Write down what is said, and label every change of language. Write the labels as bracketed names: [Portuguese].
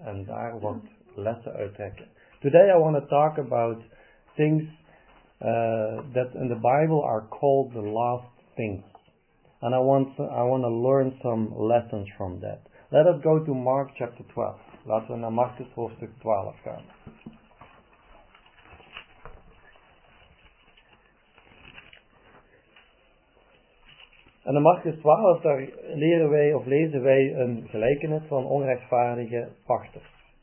[Dutch] En daar wat lessen uittrekken. [English] Today I want to talk about things that in the Bible are called the last things. And I want to learn some lessons from that. Let us go to Mark chapter 12. [Dutch] Laten we naar Marcus hoofdstuk 12 gaan. En in Marcus 12, daar leren wij of lezen wij een gelijkenis van onrechtvaardige pachters.